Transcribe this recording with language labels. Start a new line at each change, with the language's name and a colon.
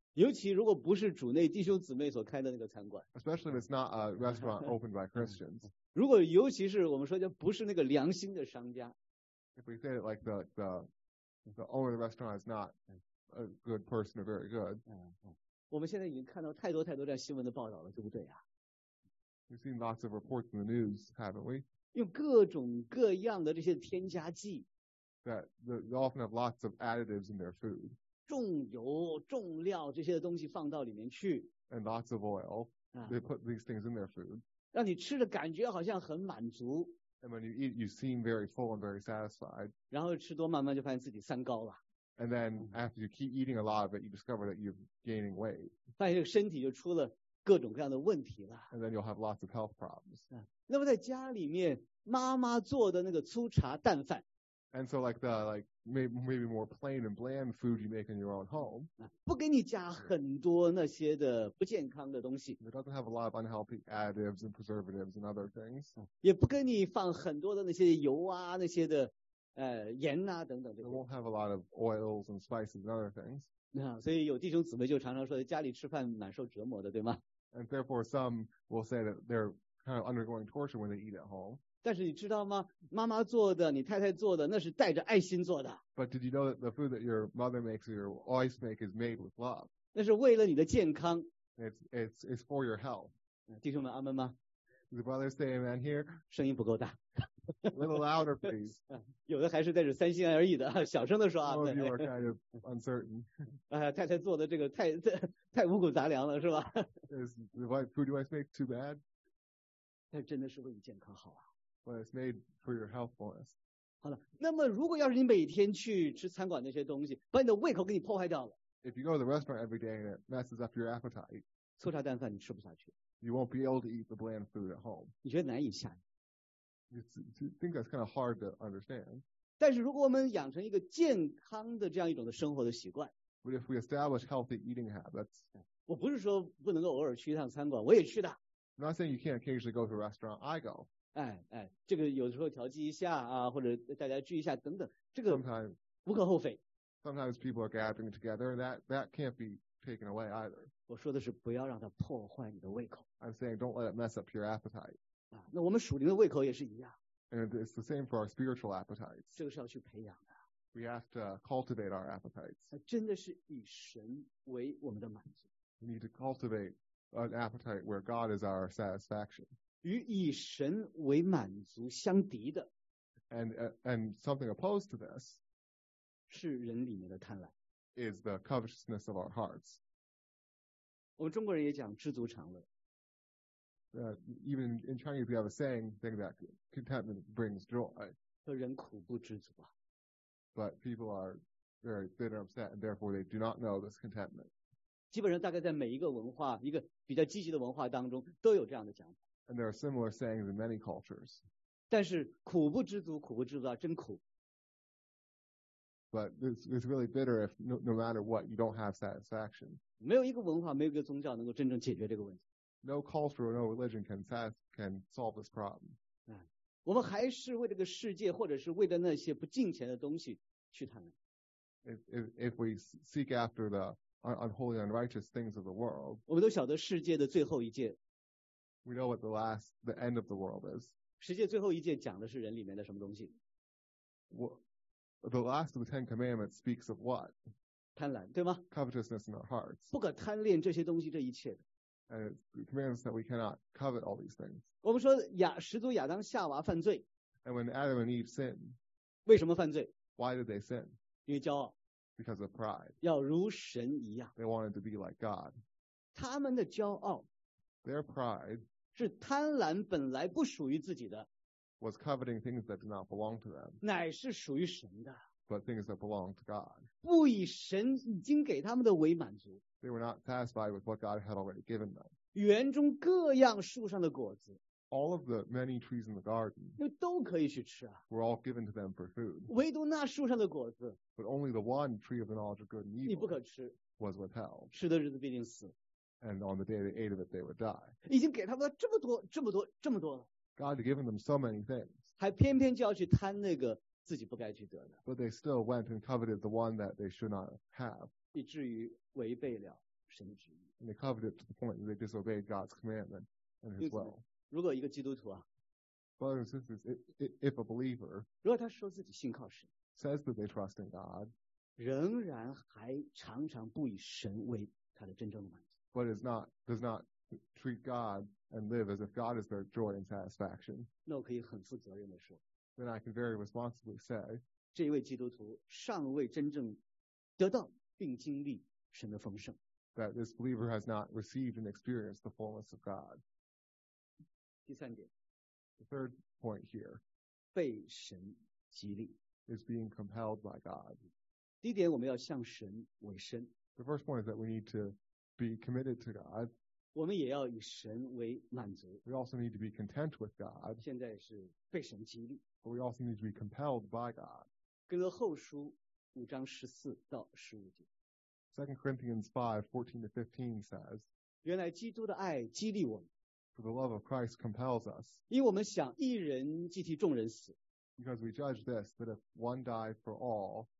Chinese: 尤其如果不是主内弟兄姊妹所开的那个餐馆
English: especially if it's not a restaurant opened by Christians,
Chinese: 如果尤其是我们说就不是那个良心的商家
English: if we say it like the owner of the restaurant is not a good person or very good.
Chinese: 我们现在已经看到太多太多这样新闻的报道了, 对不对啊?
English: We've seen lots of reports in the news, haven't we?
Chinese: 用各种各样的这些添加剂,
English: that they often have lots of additives in their food.
Chinese: 重油重料这些东西放到里面去,
English: and lots of oil. They put these things in their food.
Chinese: 让你吃的感觉好像很满足,
English: and when you eat, you seem very full and very satisfied.
Chinese: 然后吃多慢慢就发现自己三高了,
English: and then after you keep eating a lot of it, you discover that you're gaining weight.
Chinese: 发现身体就出了各种各样的问题了,
English: and then you'll have lots of health problems.
Chinese: 那么在家里面, 妈妈做的那个粗茶淡饭,
English: and so like the like maybe more plain and bland food you make in your own home,
Chinese: 不给你加很多那些的不健康的东西,
English: it doesn't have a lot of unhealthy additives and preservatives and other things,
Chinese: 也不给你放很多的那些油啊那些的, 盐啊等等,
English: it won't have a lot of oils and spices and other things.
Chinese: 所以有弟兄姊妹就常常说家里吃饭蛮受折磨的, 对吗?
English: And therefore some will say that they're kind of undergoing torture when they eat at home.
Chinese: 但是你知道吗? 妈妈做的, 你太太做的, 那是带着爱心做的。
English: But did you know that the food that your mother makes or your wife makes is made with love?
Chinese: 那是为了你的健康。
English: It's for your health.
Chinese: 弟兄们阿们吗?
English: Does the brother say amen here?
Chinese: 声音不够大。
English: A little louder, please.
Chinese: 有的还是带着三心二意的, 小声地说啊,
English: some of you are kind of uncertain.
Chinese: 太太做的这个太五谷杂粮了, 是吧?
English: Is the wife, food your wife makes too bad?
Chinese: 但真的是为你健康好啊。
English: But it's made for your healthfulness.
Chinese: 好了，那么如果要是你每天去吃餐馆那些东西， 把你的胃口给你破坏掉了，
English: if you go to the restaurant every day and it messes up your appetite,
Chinese: 粗茶淡饭你吃不下去，
English: you won't be able to eat the bland food at home.
Chinese: 你觉得难以下咽，
English: you think that's kind of hard to understand.
Chinese: 但是如果我们养成一个健康的这样一种的生活的习惯，
English: but if we establish healthy eating habits,
Chinese: 我不是说不能够偶尔去一趟餐馆， 我也去的，
English: I'm not saying you can't occasionally go to a restaurant, I go.
Chinese: 哎哎，这个有时候调剂一下啊， 或者大家聚一下等等， 这个无可厚非。
English: Sometimes people are gathering together, that can't be taken away either.
Chinese: 我说的是不要让它破坏你的胃口。
English: I'm saying don't let it mess up your appetite.
Chinese: 那我们属灵的胃口也是一样。
English: And it's the same for our spiritual appetites.
Chinese: 这个是要去培养的。
English: We have to cultivate our appetites.
Chinese: 真的是以神为我们的满足。
English: We need to cultivate an appetite where God is our satisfaction.
Chinese: 与以神为满足相敌的，
English: and something opposed to this
Chinese: 是人里面的贪婪，
English: is the covetousness of our hearts.
Chinese: 我们中国人也讲知足常乐，
English: even in Chinese we have a saying, think that contentment brings joy.
Chinese: 说人苦不知足啊，
English: but people are very bitter upset, and therefore they do not know this contentment.
Chinese: 基本上大概在每一个文化， 一个比较积极的文化当中， 都有这样的讲法。
English: And there are similar sayings in many cultures.
Chinese: 但是苦不知足, 苦不知足啊, 真苦。
English: But it's really bitter if no matter what, you don't have satisfaction.
Chinese: 没有一个文化, 没有一个宗教能够真正解决这个问题。
English: No culture or no religion can solve this problem.
Chinese: 我们还是为这个世界, 或者是为了那些不敬虔的东西去谈论。
English: If we seek after the unholy and unrighteous things of the world,
Chinese: 我们都晓得世界的最后一届。
English: We know what the end of the world is.
Chinese: 世界最后一届讲的是人里面的什么东西？
English: The last of the Ten Commandments speaks of what?
Chinese: 贪婪, 对吗？
English: Covetousness in our hearts.
Chinese: 不可贪恋这些东西这一切的。
English: And it commands that we cannot covet all these things.
Chinese: 我们说始祖亚当夏娃犯罪。
English: And when Adam and Eve sinned,
Chinese: 为什么犯罪？
English: Why did they sin?
Chinese: 因为骄傲。
English: Because of pride.
Chinese: 要如神一样。
English: They wanted to be like God.
Chinese: 他们的骄傲，
English: their pride
Chinese: 是贪婪本来不属于自己的，
English: was coveting things that did not belong to them,
Chinese: 乃是属于神的，
English: but things that belong to God.
Chinese: 不以神已经给他们的为满足，
English: they were not satisfied with what God had already given them.
Chinese: 园中各样树上的果子，
English: all of the many trees in the garden
Chinese: 都可以去吃啊，
English: were all given to them for food.
Chinese: 唯独那树上的果子，
English: but only the one tree of the knowledge of good and evil
Chinese: 你不可吃，
English: was withheld.
Chinese: 吃的日子必定死，
English: and on the day they ate of it, they would die.
Chinese: 已经给他们这么多这么多这么多了，
English: God had given them so many things,
Chinese: 还偏偏就要去贪那个自己不该去得的，
English: but they still went and coveted the one that they should not have,
Chinese: 以至于违背了神的旨意，
English: and they coveted to the point that they disobeyed God's commandment and his will.
Chinese: 如果一个基督徒啊，
English: brothers and sisters, if a believer says that they trust in God, does not treat God and live as if God is their joy and satisfaction, then I can very responsibly say,
Chinese: 这位基督徒尚未真正得到并经历神的丰盛,
English: that this believer has not received and experienced the fullness of God.
Chinese: 第三点,
English: the third point here
Chinese: 被神激励,
English: is being compelled by God.
Chinese: 第一点我们要向神委身,
English: the first point is that we need to be committed to God.
Chinese: 我们也要以神为满足,
English: we also need to be content with God.
Chinese: 现在是被神激励,
English: but we also need to be compelled by God.
Chinese: 哥罗后书 5章14到15节,
English: 2 Corinthians 5:14-15 says,
Chinese: 原来基督的爱激励我们,
English: for the love of Christ compels us,
Chinese: 因为我们想一人既替众人死,
English: because we judge this, that if one died for all,